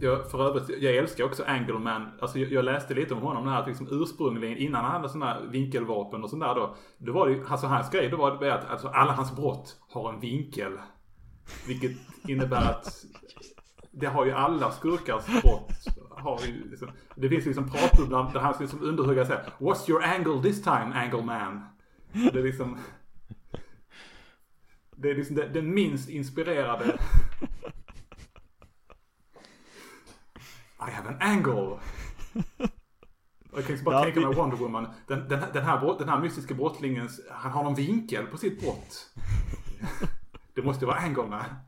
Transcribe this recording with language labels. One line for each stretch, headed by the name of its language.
Swedish: För övrigt, jag älskar också Angleman. Alltså, jag läste lite om honom här, liksom ursprungligen innan han hade sådana här vinkelvapen och sådär då. Det var ju, alltså hans grej, då var det att alltså, alla hans brott har en vinkel. Vilket innebär att det har ju alla skurkars brott. Liksom, det finns liksom prat ibland där han liksom underhuggar sig.
English: What's your angle this time, Angleman?
Swedish: Det är liksom... Det är liksom den minst inspirerade...
English: I have an angle!
Swedish: Jag kan bara tänka mig Wonder Woman. Den här mystiska brottlingen, han har någon vinkel på sitt brott. Det måste vara Angleman.